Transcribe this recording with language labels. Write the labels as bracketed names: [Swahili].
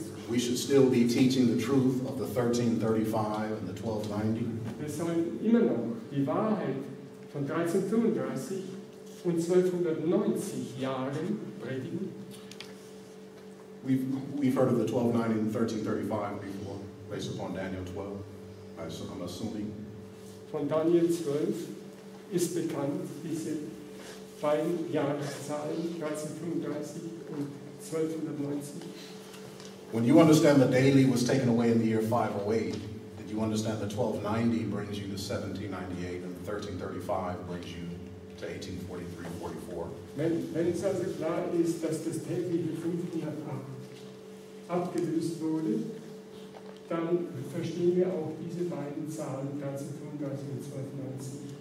[English] We should still be teaching the truth of the 1335 and the 1290. [German] Wir sollen immer noch die Wahrheit von 1335 und 1290 Jahren predigen. [English] We've heard of the 1290 and 1335 before, based upon Daniel 12, I'm assuming. [German] Von Daniel 12 ist bekannt, diese beiden Jahreszahlen, 1335 und 1290. [English] When you understand the daily was taken away in the year 508, did you understand the 1290 brings you to 1798 and the 1335 brings you to 1843 [German] Wenn es also klar ist, dass das tägliche 508 abgelöst wurde, dann verstehen wir auch diese beiden Zahlen, 1335 und 1290.